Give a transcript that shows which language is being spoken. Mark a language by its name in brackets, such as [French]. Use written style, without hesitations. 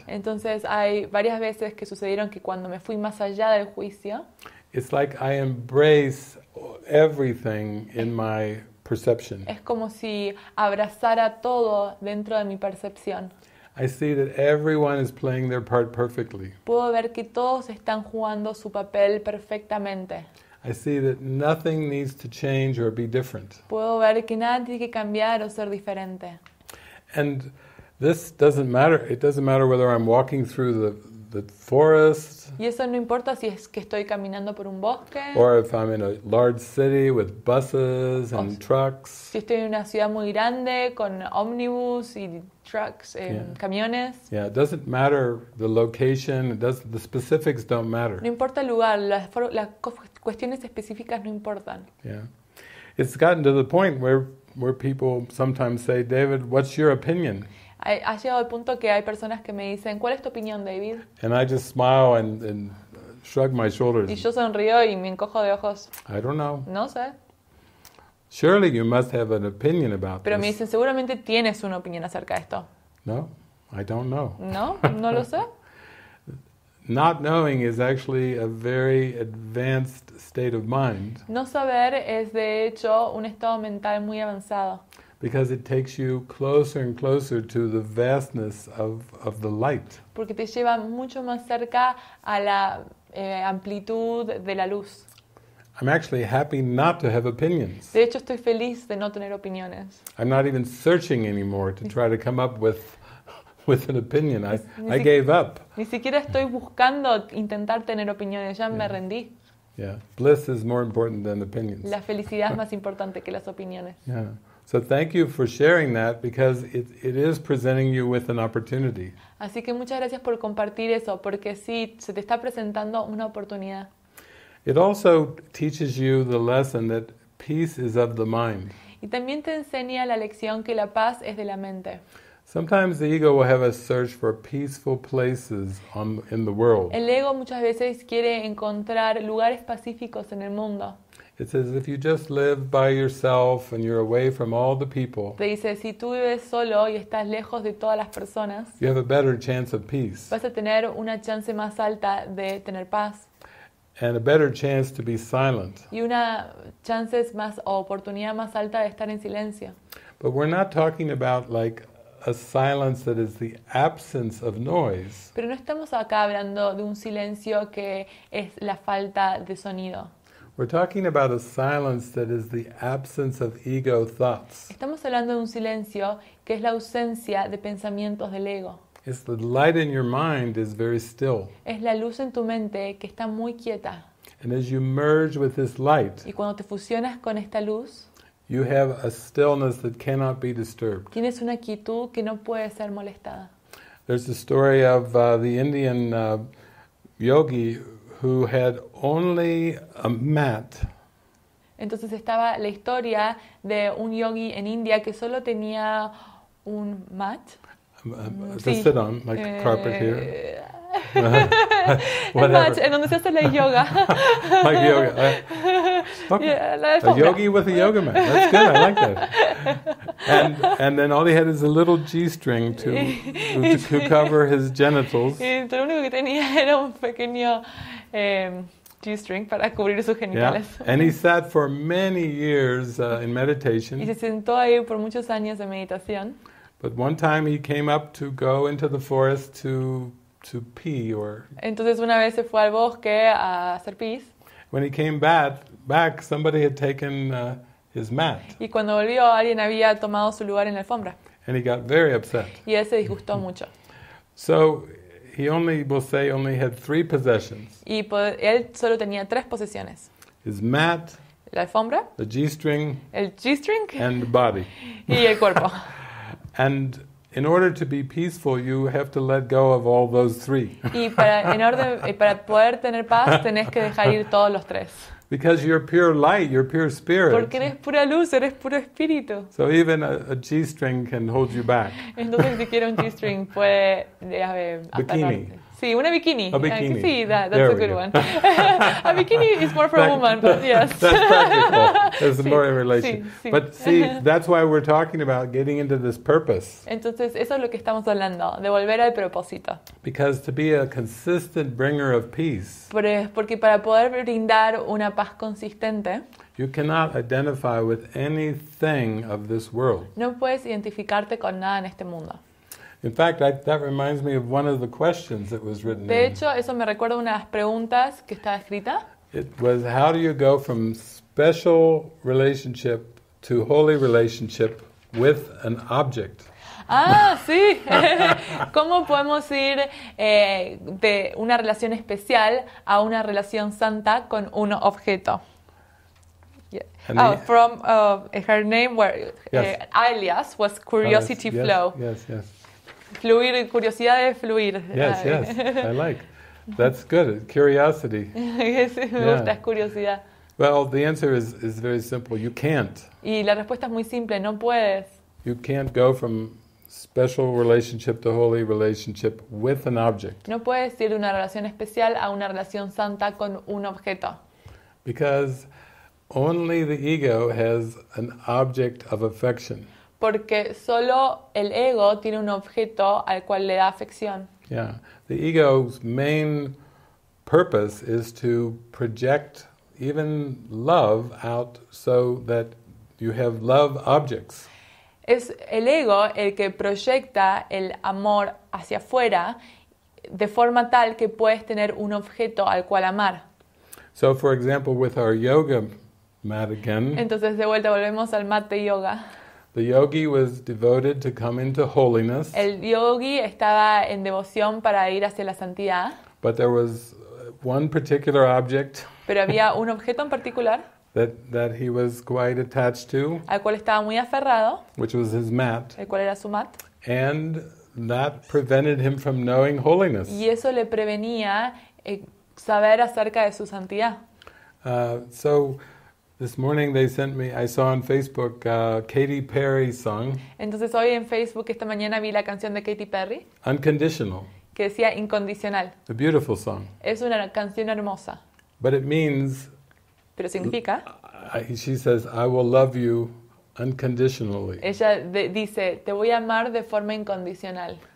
[Spanish] entonces hay varias veces que sucedieron que cuando me fui más allá del juicio, [English] it's like I embrace everything in my perception. [Spanish] Es como si abrazara todo dentro de mi percepción. [English] I see that everyone is playing their part perfectly. [Spanish] Puedo ver que todos están jugando su papel perfectamente. [English] I see that nothing needs to change or be different. [Spanish] Puedo ver que nada tiene que cambiar o ser diferente. [English] And this doesn't matter. It doesn't matter whether I'm walking through the forest. [Spanish] Y eso no importa si es que estoy caminando por un bosque. [English] Or if I'm in a large city with buses and trucks. [Spanish] Si estoy en una ciudad muy grande con ómnibus y trucks, camiones. [English] Yeah, it doesn't matter the location. The specifics don't matter. [Spanish] No importa el lugar. Las cuestiones específicas no importan. [English] Yeah, it's gotten to the point where people sometimes say, David, what's your opinion? [Spanish] Ha llegado al punto que hay personas que me dicen, ¿cuál es tu opinión, David? [English] And I just smile and shrug my shoulders. [Spanish] Y yo sonrío y me encojo de ojos. [English] I don't know. [Spanish] No sé. [English] Surely you must have an opinion about [Spanish] Pero [English] this. [Spanish] Pero me dicen, seguramente tienes una opinión acerca de esto. [English] No, I don't know. [Spanish] No, no lo sé. [English] Not knowing is actually a very advanced state of mind. [Spanish] No saber es de hecho un estado mental muy avanzado. [English] Because it takes you closer and closer to the vastness of the light. [Spanish] Porque te lleva mucho más cerca a la amplitud de la luz. [English] I'm actually happy not to have opinions. [Spanish] De hecho, estoy feliz de no tener opiniones. [English] I'm not even searching anymore to try to come up with an opinion. I gave up. [Spanish] Ni siquiera estoy buscando intentar tener opiniones. Ya me rendí. [English] Yeah. Bliss is more important than opinions. [Spanish] La felicidad es más importante que las opiniones. [English] Yeah. So thank you for sharing that because it is presenting you with an opportunity. [Spanish] Así que muchas gracias por compartir eso porque sí, se te está presentando una oportunidad. [English] It also teaches you the lesson that peace is of the mind. [Spanish] Y también te enseña la lección que la paz es de la mente. [English] Sometimes the ego will have a search for peaceful places in the world. [Spanish] El ego muchas veces quiere encontrar lugares pacíficos en el mundo. [English] It says if you just live by yourself and you're away from all the people. [Spanish] Te dice si tú vives solo y estás lejos de todas las personas. [English] You have a better chance of peace. [Spanish] Vas a tener una chance más alta de tener paz. [English] And a better chance to be silent. [Spanish] Y una chance más o oportunidad más alta de estar en silencio. [English] But we're not talking about like a silence that is the absence of noise. [Spanish] Pero no estamos acá hablando de un silencio que es la falta de sonido. [English] We're talking about a silence that is the absence of ego thoughts. [Spanish] Estamos hablando de un silencio que es la ausencia de pensamientos del ego. [English] It's the light in your mind is very still. [Spanish] Es la luz en tu mente que está muy quieta. [English] And as you merge with this light, [Spanish] y cuando te fusionas con esta luz, [English] you have a stillness that cannot be disturbed. [Spanish] Tienes una quietud que no puede ser molestada. [English] There's a story of the Indian yogi who had only a mat. [Spanish] Entonces estaba la historia de un yogi en India que solo tenía un mat. [English] To sit on, like a carpet here. [Spanish] El mat, en donde se hace la yoga. [English] Like yoga. Okay. Yeah, a yogi with a yoga mat. That's good, I like that. And then all he had is a little G-string to cover his genitals. [Spanish] Y lo único que tenía era un pequeño G-string para cubrir sus genitales. [English] Yeah. And he sat for many years in meditation. [Spanish] Y se sentó ahí por muchos años de meditación. [English] But one time he came up to go into the forest to pee or. [Spanish] Entonces una vez se fue al bosque a hacer pis. [English] When he came back, somebody had taken his mat. [Spanish] Y cuando volvió, alguien había tomado su lugar en la alfombra. [English] And he got very upset. [Spanish] Y él se disgustó mucho. [English] So he only, we'll say, only had three possessions. [Spanish] Y él solo tenía tres posesiones. [English] His mat. [Spanish] La alfombra. [English] The G-string. [Spanish] El G-string. [English] And the body. [Spanish] Y el cuerpo. [English] And in order to be peaceful, you have to let go of all those three. [Spanish] Y para poder tener paz, tenés que dejar ir todos los tres. [English] Because you're pure light, you're pure spirit. [Spanish] Porque eres pura luz, eres puro espíritu. [English] So even a G-string can hold you back. [Spanish] Entonces, si quieres un G-string, puede atarte. [English] Bikini. [Spanish] Sí, una bikini. [English] A bikini. [Spanish] Sí, [English] that's there a good one. A bikini is more for a woman, but yes. That's practical. It's more in relation. [Spanish] Sí. [English] But see, that's why we're talking about getting into this purpose. [Spanish] Entonces, eso es lo que estamos hablando, de volver al propósito. [English] Because to be a consistent bringer of peace. [Spanish] Porque para poder brindar una paz consistente. [English] You cannot identify with anything of this world. [Spanish] No puedes identificarte con nada en este mundo. [English] In fact, that reminds me of one of the questions that was written. [Spanish] De hecho, eso me recuerda una de las preguntas que estaba escrita. [English] It was, how do you go from special relationship to holy relationship with an object? [Spanish] Ah, sí. ¿Cómo podemos ir de una relación especial a una relación santa con un objeto? [English] Yeah. Oh, from her name, where, yes. Alias was curiosity. Alias. Flow. Yes, yes, yes. [Spanish] Fluir, curiosidad de fluir. [English] Yes, yes, I like. That's good, curiosity. Yes, [Spanish] me gusta, es curiosidad. [English] Well, the answer is very simple. You can't. [Spanish] Y la respuesta es muy simple, no puedes. [English] You can't go from special relationship to holy relationship with an object. [Spanish] No puedes ir de una relación especial a una relación santa con un objeto. [English] Because only the ego has an object of affection. [Spanish] Porque solo el ego tiene un objeto al cual le da afección. [English] Yeah. The ego's main purpose is to project even love out so that you have love objects. [Spanish] Es el ego el que proyecta el amor hacia afuera de forma tal que puedes tener un objeto al cual amar. [English] So, for example, with our yoga mat again. [Spanish] Entonces, de vuelta, volvemos al mat de yoga. [English] The yogi was devoted to come into holiness. [Spanish] El yogi estaba en devoción para ir hacia la santidad. [English] But there was one particular object. [Spanish] Pero había un objeto en particular. [English] That he was quite attached to. [Spanish] Al cual estaba muy aferrado. [English] Which was his mat. [Spanish] El cual era su mat. [English] And that prevented him from knowing holiness. [Spanish] Y eso le prevenía saber acerca de su santidad. [English] So this morning they sent me, I saw on Facebook, Katy Perry song. [Spanish] Entonces hoy en Facebook esta mañana vi la canción de Katy Perry. [English] Unconditional. [Spanish] Que decía incondicional. [English] A beautiful song. [Spanish] Es una canción hermosa. [English] But it means, [Spanish] pero significa, [English] she says, I will love you unconditionally. [Spanish] Ella dice, te voy a amar de forma incondicional.